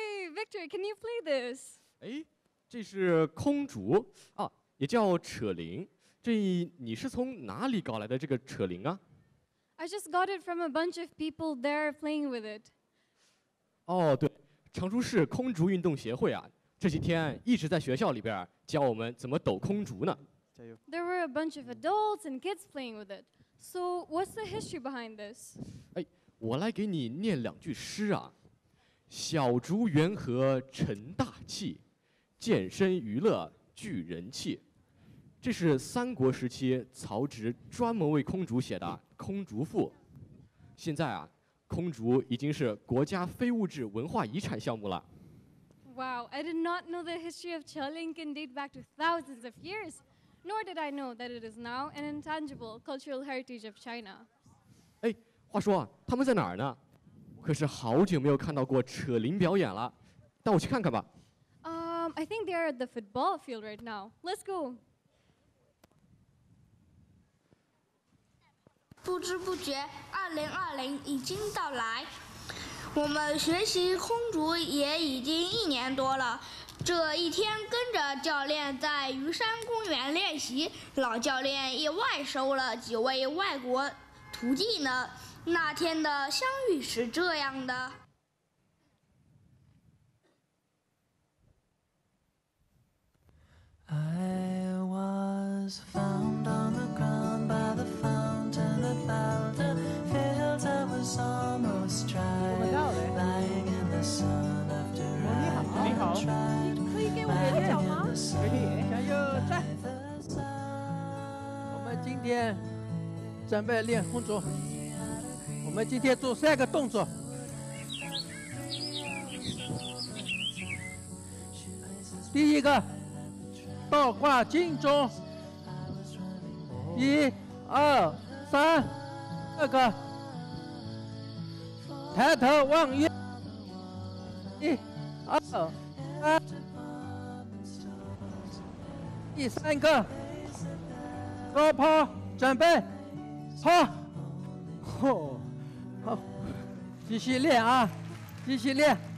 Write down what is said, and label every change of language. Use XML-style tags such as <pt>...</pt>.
<en>Victor, can you play this?</en> <zh>哎，这是空竹啊，也叫扯铃。这你是从哪里搞来的这个扯铃啊</zh> <en>？I just got it from a bunch of people there playing with it.</en> <zh>哦，对，常熟市空竹运动协会啊，这几天一直在学校里边教我们怎么抖空竹呢。加油。</zh> <en>There were a bunch of adults and kids playing with it. So what's the history behind this?</en> <zh>哎，我来给你念两句诗啊。小竹缘和成大器，健身娱乐聚人气。这是三国时期曹植专门为空竹写的《空竹赋》。现在啊，空竹已经是国家非物质文化遗产项目了。</zh> <en>Wow, I did not know the history of Cheling can date back to thousands of years, nor did I know that it is now an intangible cultural heritage of China.</en> <zh>哎，话说，他们在哪儿呢？可是好久没有看到过扯铃表演了，带我去看看吧。</zh> <en>I think they are at the football field right now. Let's go.</en> <zh>不知不觉，2020已经到来，我们学习空竹也已经一年多了。这一天跟着教练在虞山公园练习，老教练意外收了几位外国徒弟呢。那天的相遇是这样的。</zh> <en>I was found on the ground by the fountain about the fields I was almost dry lying in the sun after I had tried</en> <zh>你可以给我演讲吗？可以，加油，在我们今天准备练空竹，我们今天做三个动作。第一个倒挂金钟，一二三，这个抬头望月，一二三，第三个高抛，准备抛，好，继续练啊，继续练。</zh>